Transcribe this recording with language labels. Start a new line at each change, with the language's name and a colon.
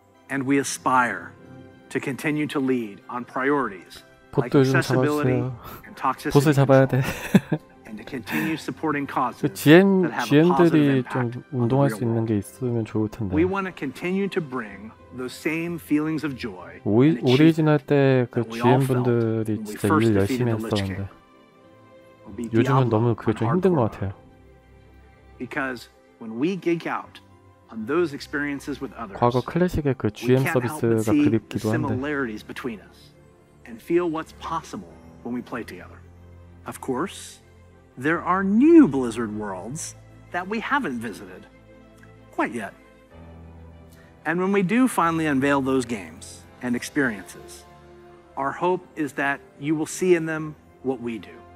English: And we aspire to continue to lead on priorities like accessibility and toxicity control, and to continue supporting causes that have a positive impact on the real world. We want to continue to bring those same feelings of joy and achievement that we all felt when we first defeated the Lich King. We'll be Diablo on hardcore mode. Because when we geek out on those experiences with others.
Korean: 과거 클래식의 그 GM 서비스가 그립기도 한데.
English: Similarities between us and feel what's possible when we play together. Of course, there are new Blizzard worlds that we haven't visited quite yet. And when we do finally unveil those games and experiences, our hope is that you will see in them what we do.